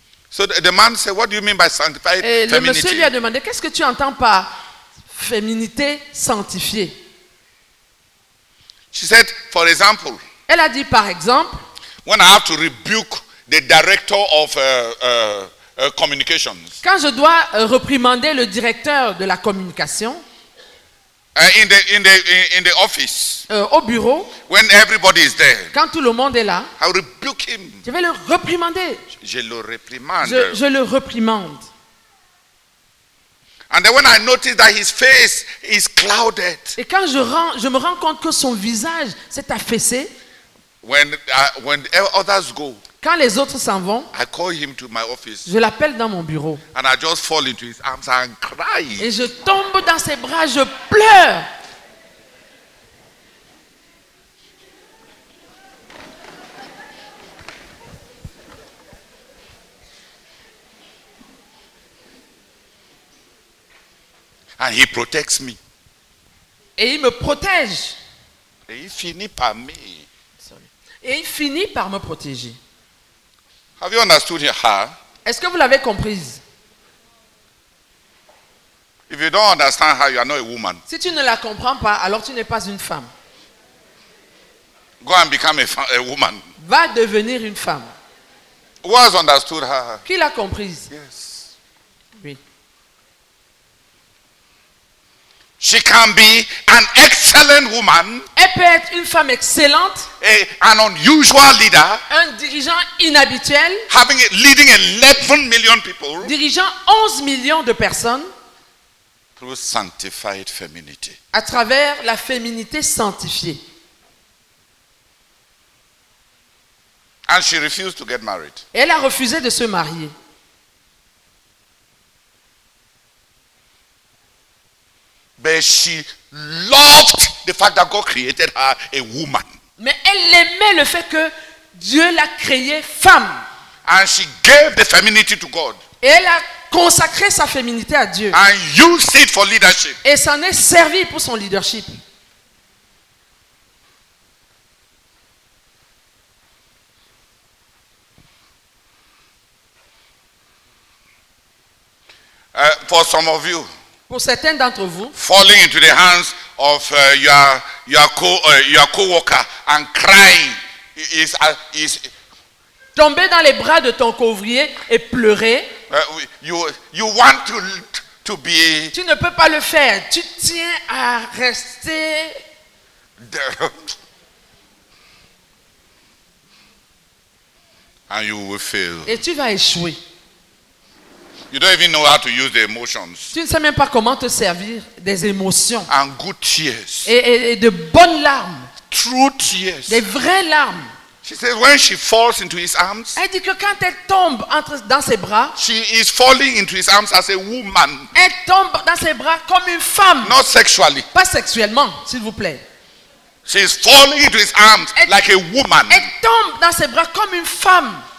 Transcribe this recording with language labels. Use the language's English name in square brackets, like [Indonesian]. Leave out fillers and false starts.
[English] So the man said, "What do you mean by sanctified femininity?" [French] Et le monsieur lui a demandé, "Qu'est-ce que tu entends par féminité sanctifiée?" [English] She said, "For example." [French] Elle a dit, par exemple. [English] When I have to rebuke the director of communications. [French] Quand je dois reprimander le directeur de la communication. [English] In the office. [French] Au bureau. [English] When everybody is there. [French] Quand tout le monde est là. [English] I rebuke him. [French] Je vais le reprimander. Je le réprimande. [English] And then when I notice that his face is clouded. [French] Et quand je me rends compte que son visage s'est affaissé. [English] When others go. [French] Quand les autres s'en vont, [English] I call him to my office, [French] je l'appelle dans mon bureau. [English] And I just fall into his arms and cry. [French] Et je tombe dans ses bras, je pleure. [English] And he protects me. [French] Et il me protège. Et il finit par me. [English] Sorry. [French] Et il finit par me protéger. [English] Have you understood her? [French] Est-ce que vous l'avez comprise? [English] If you don't understand her, you are not a woman. [French] Si tu ne la comprends pas, alors tu n'es pas une femme. [English] Go and become a woman. [French] Va devenir une femme. [English] Who has understood her? [French] Qui l'a comprise? [English] Yes. [French] Oui. [English] She can be an excellent woman. [French] Elle peut être une femme excellente. [English] An unusual leader. [French] Un dirigeant inhabituel. [English] Leading 11 million people. [French] Dirigeant 11 millions de personnes. [English] Through sanctified femininity. [French] À travers la féminité sanctifiée. [English] And she refused to get married. [French] Elle a refusé de se marier. [English] But she loved the fact that God created her a woman. [French] Mais elle aimait le fait que Dieu l'a créée femme. [English] And she gave the femininity to God. [French] Et elle a consacré sa féminité à Dieu. [English] And used it for leadership. [French] Et s'en est servi pour son leadership. [English] For some of you. [French] Pour certains d'entre vous, [English] falling into the hands of your co-worker and crying is [French] tomber dans les bras de ton co-ouvrier et pleurer. [English] You want to be. [French] Tu ne peux pas le faire. Tu tiens à rester. [English] And you will fail. [French] Et tu vas échouer. [English] You don't even know how to use the emotions. [French] Tu ne sais même pas comment te servir des émotions. [English] And good tears. [French] Et de bonnes larmes. [English] True tears. [French] Des vraies larmes. [English] She says when she falls into his arms. [French] Elle dit que quand elle tombe dans ses bras. [English] She is falling into his arms as a woman. [French] Elle tombe dans ses bras comme une femme. [English] Not sexually. [French] Pas sexuellement, s'il vous plaît. [English] She is falling into his arms like a woman. [French] Elle tombe dans ses bras comme une femme.